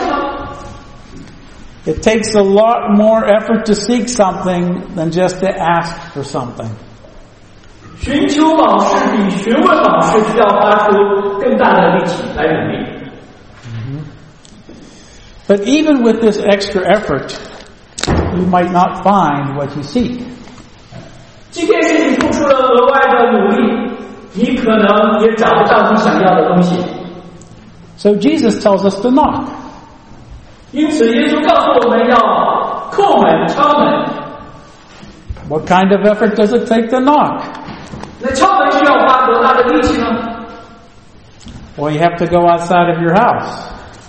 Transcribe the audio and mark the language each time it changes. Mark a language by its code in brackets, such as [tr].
[zh] 你会不会满屋子的跑来跑去去寻找，并且处于一种惊慌的状态，不是吗？ [en] It takes a lot more effort to seek something than just to ask for something. [zh] 寻求往事比询问往事需要花出更大的力气来努力。 [en] But even with this extra effort, you might not find what you seek. [zh] 即便是你付出了额外的努力， 你可能也找不到你想要的东西。 [en] So Jesus tells us to knock. [zh] 因此耶稣告诉我们要叩门、敲门。 [en] What kind of effort does it take to knock? [zh] 那敲门需要花多大的力气呢？ [en] Well, you have to go outside of your house.